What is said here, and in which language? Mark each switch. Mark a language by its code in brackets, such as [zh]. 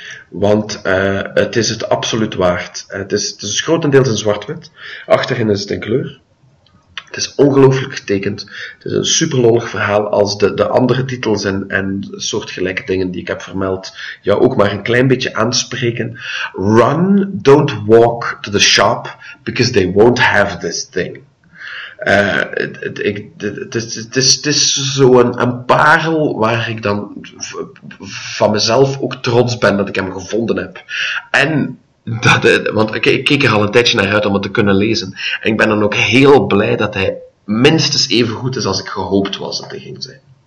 [nl] Want het is het absoluut waard. Het is grotendeels een zwart-wit. Achterin is het in kleur. Het is ongelooflijk getekend. Het is een super lollig verhaal. Als de andere titels en soortgelijke dingen die ik heb vermeld jou ook maar een klein beetje aanspreken. [en] Run, don't walk to the shop, because they won't have this thing. [nl] Het is zo'n parel waar ik dan van mezelf ook trots ben dat ik hem gevonden heb. En dat, want ik keek er al een tijdje naar uit om het te kunnen lezen. En ik ben dan ook heel blij dat hij minstens even goed is als ik gehoopt was dat hij ging zijn.